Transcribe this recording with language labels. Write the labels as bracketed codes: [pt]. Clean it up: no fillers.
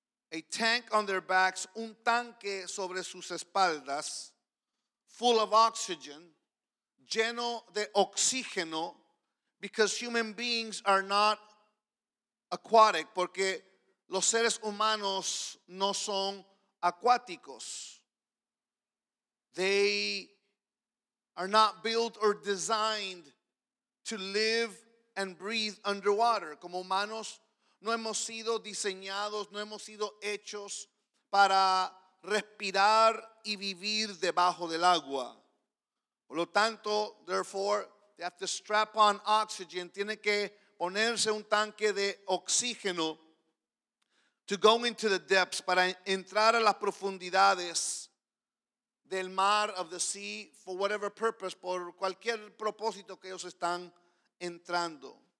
[en] a tank on their backs, [es] un tanque sobre sus espaldas, [en] full of oxygen, [es] lleno de oxígeno, [en] because human beings are not aquatic, [es] porque los seres humanos no son acuáticos. [en] They are not built or designed to live and breathe underwater. [es] Como humanos, no hemos sido diseñados, no hemos sido hechos para respirar y vivir debajo del agua. Por lo tanto, [en] therefore, they have to strap on oxygen. [es] Tiene que ponerse un tanque de oxígeno [en] to go into the depths, [es] para entrar a las profundidades del mar, [en] of the sea, for whatever purpose, [es] por cualquier propósito que ellos están entrando.